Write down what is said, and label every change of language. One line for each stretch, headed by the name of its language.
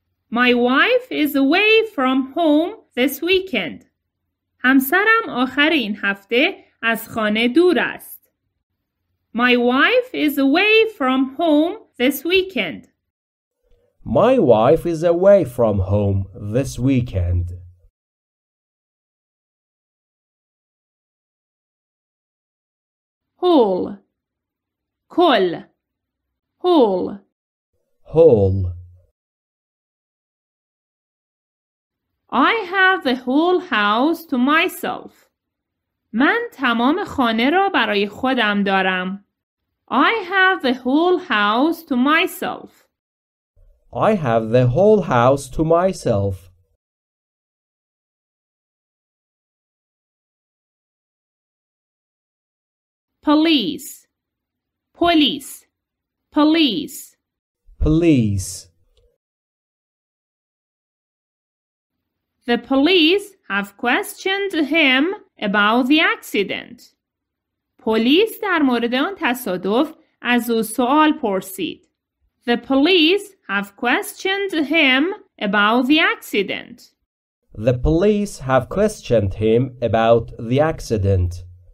English: My wife is away from home this weekend.
Persian: همسرم آخر این هفته از خانه دور است.
English: My wife is away from home this weekend. My wife is away from home this weekend. Hole.
Persian: کل.
English: Hole. Hole. I have the whole house to myself.
Persian: من تمام خانه را برای خودم دارم.
English: I have the whole house to myself. I have the whole house to myself. Police. Police. Police. Police. The police have questioned him about the accident.
Persian: پلیس در مورد آن تصادف از او سوال پرسید.
English: The police have questioned him about the accident. The police have questioned him about the accident.